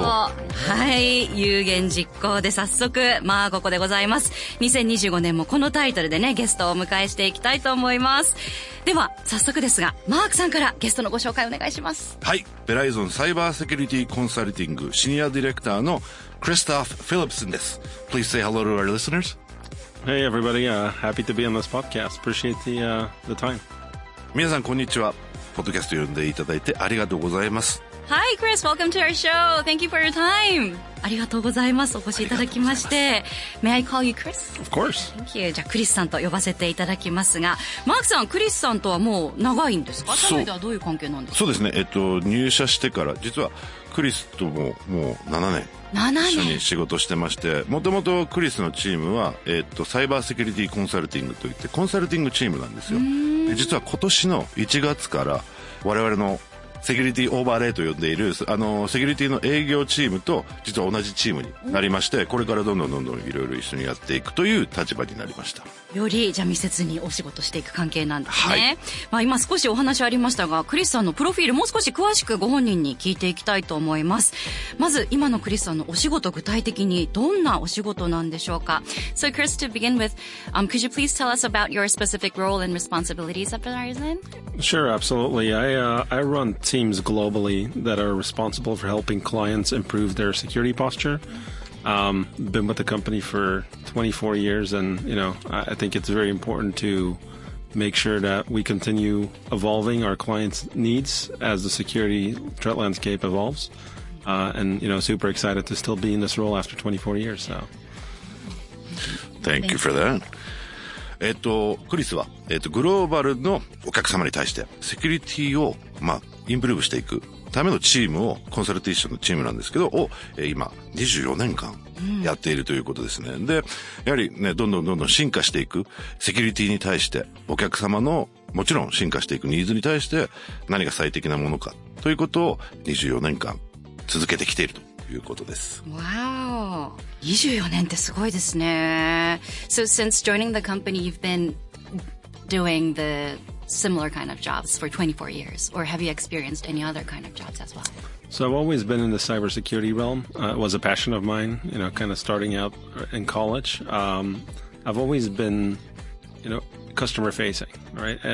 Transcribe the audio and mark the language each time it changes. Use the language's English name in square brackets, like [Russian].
[Japanese] はい、有言実行で早速まあここでございます。 2025年もこのタイトルでね、ゲストをお迎えしていきたいと思います。では早速ですが、マークさんからゲストのご紹介お願いします。はい、ベライゾンサイバーセキュリティコンサルティングシニアディレクターのクリストフ・フィリプスンです。 [English] Please say hello to our listeners Hey everybody, happy to be on this podcast. Appreciate the time. [Japanese] 皆さんこんにちは。ポッドキャスト呼んでいただいてありがとうございます。 [English] Hi Chris, welcome to our show. Thank you for your time. [Japanese] ありがとうございます。お越しいただきまして。 [English] May I call you Chris? Of course. Thank you. [Japanese] じゃあクリスさんと呼ばせていただきますが、マークさん、クリスさんとはもう長いんですか？社内ではどういう関係なんですか？そうですね。入社してから、実はクリスとももう7年。 7年一緒に仕事してまして、もともとクリスのチームは、サイバーセキュリティコンサルティングといってコンサルティングチームなんですよ。で、実は今年の1月から我々のセキュリティオーバーレイと呼んでいる、セキュリティの営業チームと実は同じチームになりまして、これからどんどんいろいろ一緒にやっていくという立場になりました。より、じゃあ密接にお仕事していく関係なんですね。はい、まあ、今少しお話ありましたが、クリスさんのプロフィールもう少し詳しくご本人に聞いていきたいと思います。まず今のクリスさんのお仕事、具体的にどんなお仕事なんでしょうか？ [English] So Chris, to begin with, could you please tell us about your specific role and responsibilities at Verizon? Sure, absolutely. I run teams globally that are responsible for helping clients improve their security posture. Been with the company for 24 years, and you know, I think it's very important to make sure that we continue evolving our clients' needs as the security threat landscape evolves. And you know, super excited to still be in this role after 24 years. So, thank you for that. [Japanese] クリスは、グローバルのお客様に対してセキュリティを、まあ、インプルーブしていくためのチームを、コンサルティションのチームなんですけど、を、今24年間やっているということですね。で、やはりね、どんどん進化していく、セキュリティに対してお客様のもちろん進化していくニーズに対して何が最適なものかということを24年間続けてきているということです。わお、24年ってすごいですね。 [English] So since joining the company, you've been doing the similar kind of jobs for 24 years, or have you experienced any other kind of jobs as well? So I've always been in the cybersecurity realm. It was a passion of mine, you know, kind of starting out in college. I've always been, you know, customer facing, right?